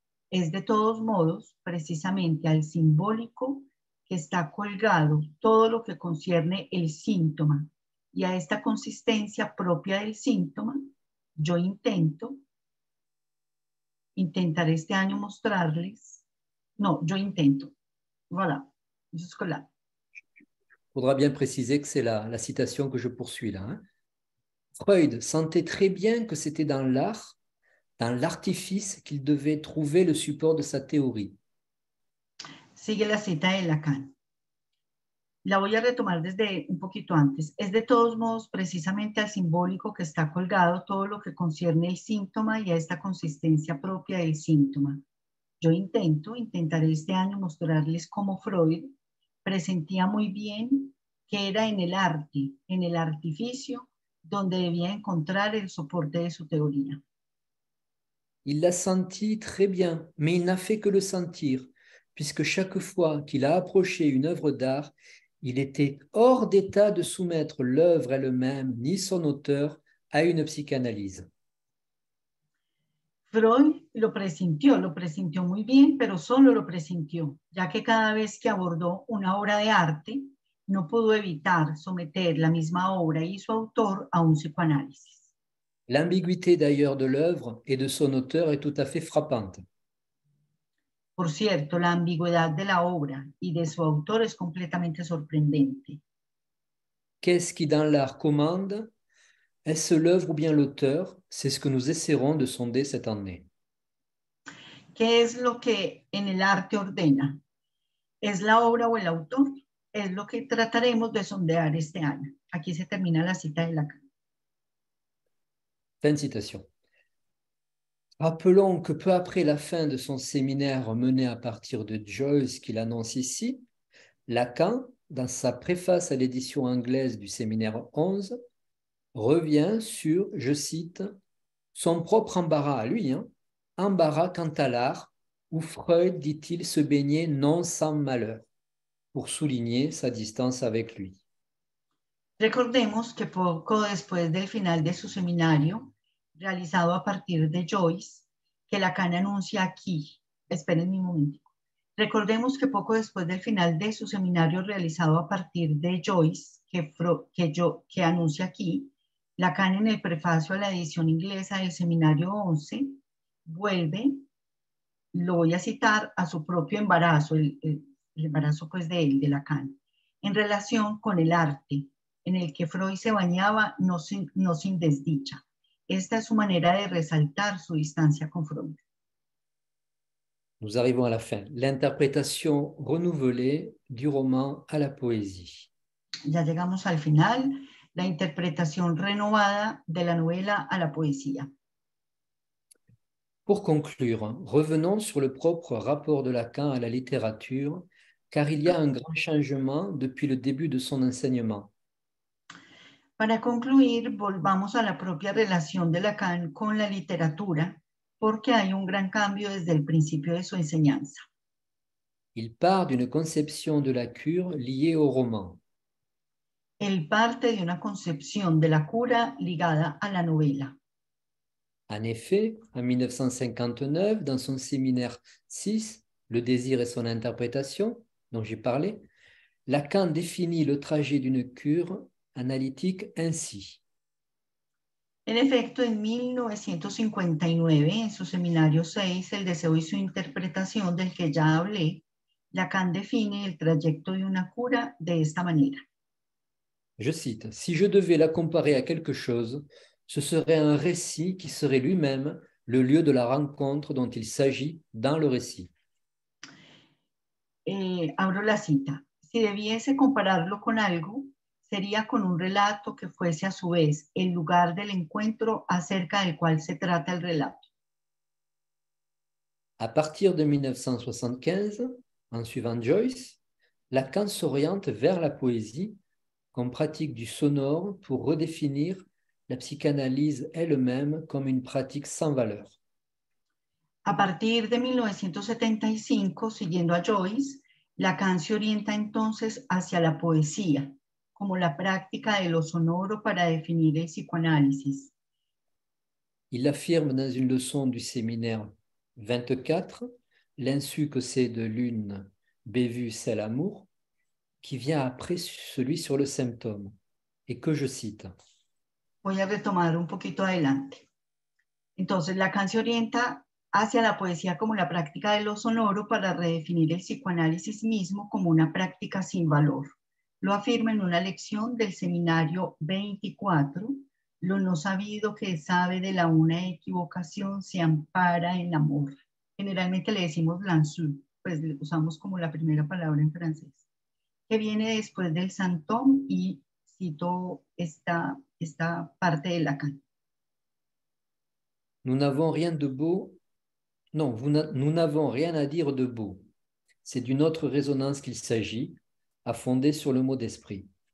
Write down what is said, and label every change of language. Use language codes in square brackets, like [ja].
[es] Es de todos modos, precisamente al simbólico, que está colgado todo lo que concierne el síntoma y a esta consistencia propia del síntoma, yo intentaré este año mostrarles. No, yo intento. [fr] Voilà, jusque là. Faudra bien préciser que c'est la citation que je poursuis là. Hein. Freud sentait très bien que c'était dans l'art, dans l'artifice, qu'il devait trouver le support de sa théorie. [es] Sigue la cita de Lacan. La voy a retomar desde un poquito antes. Es de todos modos precisamente al simbólico que está colgado todo lo que concierne el síntoma y a esta consistencia propia del síntoma. Yo intentaré este año mostrarles cómo Freud presentía muy bien que era en el arte, en el artificio, donde debía encontrar el soporte de su teoría. [fr] Il l'a senti très bien, mais il n'a fait que le sentir, puisque chaque fois qu'il a approché une œuvre d'art, il était hors d'état de soumettre l'œuvre elle-même, ni son auteur, à une psychanalyse. [es] Freud lo presintió muy bien, pero solo lo presintió, ya que cada vez que abordó una obra de arte, no pudo evitar someter la misma obra y su autor a un psicoanálisis. [fr] L'ambiguïté d'ailleurs de l'œuvre et de son auteur est tout à fait frappante. [es] Por cierto, la ambigüedad de la obra y de su autor es completamente sorprendente. [fr] Qu'est-ce qui dans l'art commande? Est-ce l'œuvre ou bien l'auteur? C'est ce que nous essaierons de sonder cette année. [es] ¿Qué es lo que en el arte ordena? ¿Es la obra o el autor? Es lo que trataremos de sondear este año. Aquí se termina la cita de Lacan. [fr] Fin de citation. Rappelons que peu après la fin de son séminaire mené à partir de Joyce qu'il annonce ici, Lacan, dans sa préface à l'édition anglaise du séminaire 11, revient sur, je cite, son propre embarras à lui, hein, embarras quant à l'art, où Freud, dit-il, se baignait non sans malheur, pour souligner sa distance avec lui. [es] Recordemos que poco después del final de su seminario, realizado a partir de Joyce, que Lacan anuncia aquí, esperen un momento. Recordemos que poco después del final de su seminario realizado a partir de Joyce, que anuncia aquí, Lacan en el prefacio a la edición inglesa del seminario 11, vuelve, lo voy a citar, a su propio embarazo, el embarazo pues de él, de Lacan, en relación con el arte, en el que Freud se bañaba no sin desdicha. Esta es su manera de resaltar su distancia con Freud. [fr] Nous arrivons à la fin. L'interprétation renouvelée du roman à la poésie. [es] Ya llegamos al final. La interpretación renovada de la novela a la poesía. [fr] Pour conclure, revenons sur le propre rapport de Lacan à la littérature, car il y a un grand changement depuis le début de son enseignement. [es] Para concluir, volvamos a la propia relación de Lacan con la literatura, porque hay un gran cambio desde el principio de su enseñanza. [fr] Il part d'une conception de la cure liée au roman. [es] Él parte de una concepción de la cura ligada a la novela. [fr] En effet, en 1959, dans son séminaire 6, Le désir et son interprétation, dont j'ai parlé, Lacan définit le trajet d'une cure analytique ainsi. [es] En efecto, en 1959, en su seminario 6, El deseo y su interpretación, del que ya hablé, Lacan define el trayecto de una cura de esta manera. [fr] Je cite, si je devais la comparer à quelque chose, ce serait un récit qui serait lui-même le lieu de la rencontre dont il s'agit dans le récit. [es] Abro la cita. Si debiese compararlo con algo, sería con un relato que fuese a su vez el lugar del encuentro acerca del cual se trata el relato. [fr] À partir de 1975, en suivant Joyce, Lacan s'oriente vers la poésie comme pratique du sonore pour redéfinir la psychanalyse elle-même comme une pratique sans valeur. [es] A partir de 1975, siguiendo a Joyce, Lacan se orienta entonces hacia la poesía como la práctica de lo sonoro para definir el psicoanálisis. [fr] Il affirme dans une leçon du séminaire 24, l'insu que c'est de l'une, bévue celle amour, qui vient après celui sur le symptôme, et que je cite. [es] Voy a retomar un poquito adelante. Entonces, Lacan se orienta hacia la poesía como la práctica de lo sonoro para redefinir el psicoanálisis mismo como una práctica sin valor. Lo afirma en una lección del seminario 24, lo no sabido que sabe de la una equivocación se ampara en amor. Generalmente le decimos l'insu, pues le usamos como la primera palabra en francés, que viene después del symptôme y cito esta parte de Lacan. [fr] Nous n'avons rien de beau. Non, nous n'avons rien à dire de beau. C'est d'une autre résonance qu'il s'agit, à fonder sur le mot d'esprit.